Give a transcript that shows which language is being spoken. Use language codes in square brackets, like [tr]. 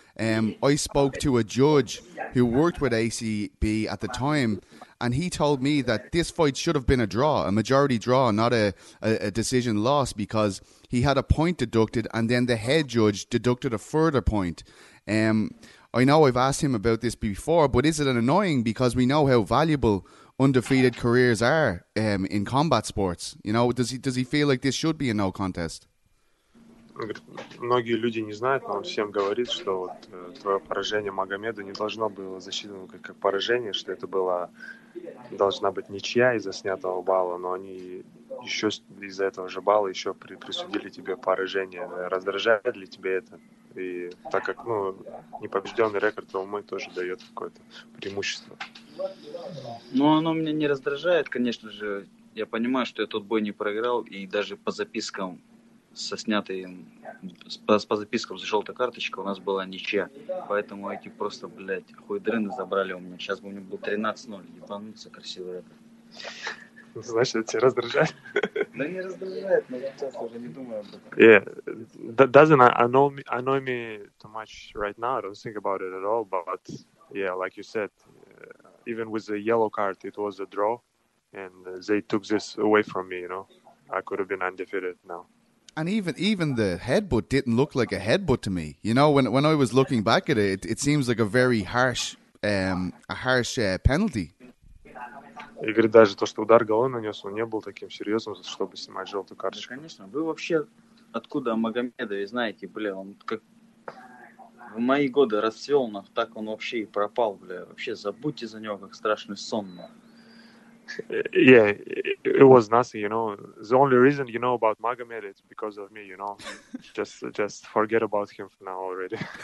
[en] I spoke to a judge who worked with ACB at the time, and he told me that this fight should have been a draw, a majority draw, not a decision loss, because he had a point deducted and then the head judge deducted a further point. I know I've asked him about this before, but is it an annoying, because we know how valuable undefeated careers are in combat sports? You know, does he feel like this should be a no contest? [ru] Многие люди не знают, но он всем говорит, что вот твое поражение Магомеду не должно было засчитано как поражение, что это была должна быть ничья из-за снятого балла, но они еще из-за этого же балла еще присудили тебе поражение. Раздражает ли тебе это? И так как, ну, непобежденный рекорд ММА тоже дает какое-то преимущество. Ну, оно меня не раздражает, конечно же. Я понимаю, что я тот бой не проиграл, и даже по запискам со снятой, по запискам с желтой карточкой у нас была ничья. Поэтому эти просто, блядь, хуйдрыны забрали у меня. Сейчас бы у меня был 13-0, ебануться, красивый рекорд. Значит, это тебя раздражает? Да не раздражает, но сейчас уже не думаю об этом. [en] Yeah, doesn't annoy me too much right now. I don't think about it at all. But yeah, like you said, even with the yellow card, it was a draw, and they took this away from me. You know, I could have been undefeated now. And even the headbutt didn't look like a headbutt to me. You know, when I was looking back at it, it seems like a very harsh penalty. [ru] И говорит, даже то, что удар головой нанес, он не был таким серьезным, чтобы снимать желтую карточку. Да, конечно. Вы вообще откуда Магомедов? И знаете, бля, он как в мои годы расцвел, но так он вообще и пропал, бля. Вообще забудьте за него, как страшный сон. [en] Yeah, it was nothing, you know. The only reason you know about Магомедов is because of me, you know. Just forget about him for now already.